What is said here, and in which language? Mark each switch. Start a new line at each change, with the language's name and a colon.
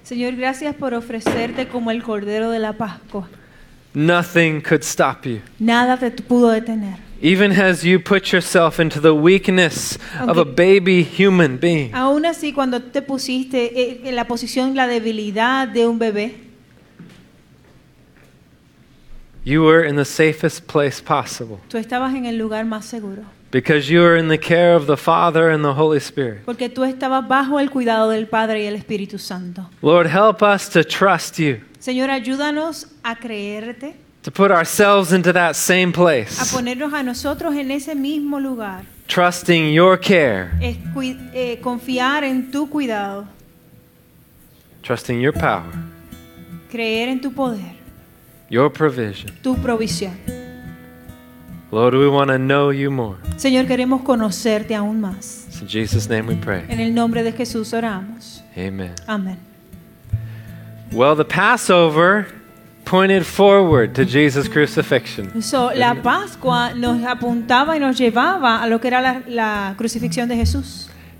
Spanish: Señor, gracias por ofrecerte como el cordero de la Pascua.
English: Nothing could stop you.
Spanish: Nada te pudo detener.
English: Even as you put yourself into the weakness of a baby human being.
Spanish: Aun así cuando te pusiste en la posición la debilidad de un bebé.
English: You were in the safest place possible.
Spanish: Tú estabas en el lugar más seguro.
English: Because you were in the care of the Father and the Holy Spirit.
Spanish: Porque tú estabas bajo el cuidado del Padre y el Espíritu Santo.
English: Lord, help us to trust you.
Spanish: Señor, ayúdanos a creerte.
English: To put ourselves into that same place.
Spanish: A ponernos a nosotros en ese mismo lugar.
English: Trusting your care.
Spanish: Confiar en tu cuidado.
English: Trusting your power.
Spanish: Creer en tu poder.
English: Your provision.
Spanish: Tu provisión.
English: Lord, we want to know you more.
Spanish: Señor, queremos conocerte aún más.
English: In Jesus' name we pray.
Spanish: En el nombre de Jesús oramos.
English: Amen.
Spanish: Amen.
English: Well, the Passover pointed forward to Jesus' crucifixion.
Spanish: So, la Pascua nos apuntaba y nos llevaba a lo que era la crucifixión de Jesús.